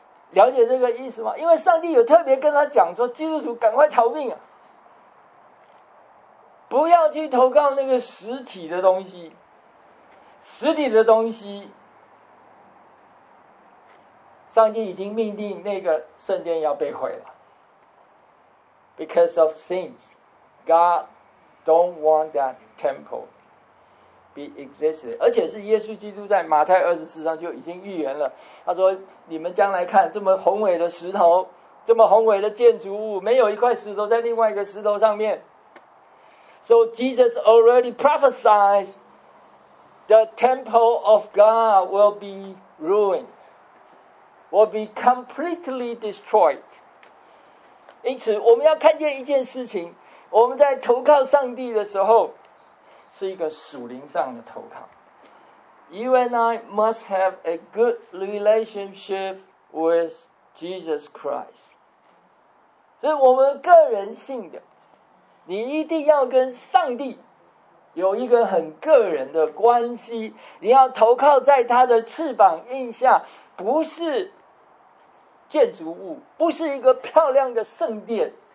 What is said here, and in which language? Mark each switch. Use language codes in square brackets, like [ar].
[zh] 了解这个意思吗？因为上帝有特别跟他讲说，基督徒赶快逃命啊，不要去投靠那个实体的东西。实体的东西，上帝已经命定那个圣殿要被毁了。 [en] Because of sins, God don't want that temple be existed. [zh] 而且是耶稣基督在马太24章就已经预言了，他说你们将来看这么宏伟的石头，这么宏伟的建筑物，没有一块石头在另外一个石头上面。 [en] So Jesus already prophesied the temple of God will be ruined. Will be completely destroyed. [zh] 因此我们要看见一件事情，我们在投靠上帝的时候是一个属灵上的投靠。 [en] You and I must have a good relationship with Jesus Christ. [zh] 所以我们个人性的，你一定要跟上帝有一个很个人的关系，你要投靠在他的翅膀荫下，不是建筑物，不是一个漂亮的圣殿。